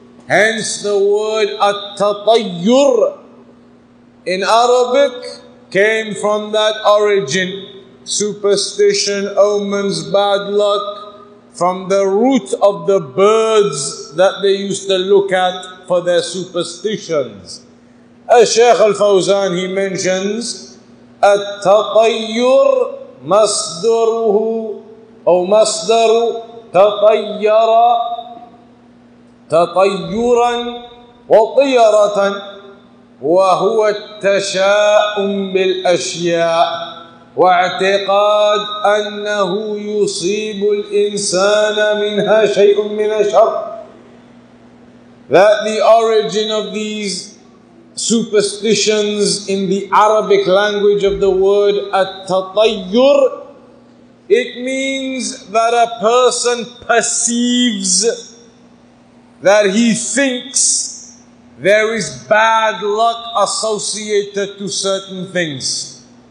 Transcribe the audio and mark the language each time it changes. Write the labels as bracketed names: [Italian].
[English] Hence the word at-tatayyur in Arabic came from that origin. Superstition, omens, bad luck, from the root of the birds that they used to look at for their superstitions. As Shaykh Al-Fawzan, he mentions, [Arabic] التطير مصدره أو مصدر تطير تطيرا وطيرة وهو التشاؤم بالأشياء واعتقاد أنه يصيب الإنسان منها شيء من الشر. [English] That the origin of these superstitions in the Arabic language of the word at-tatayyur, it means that a person perceives, that he thinks there is bad luck associated to certain things.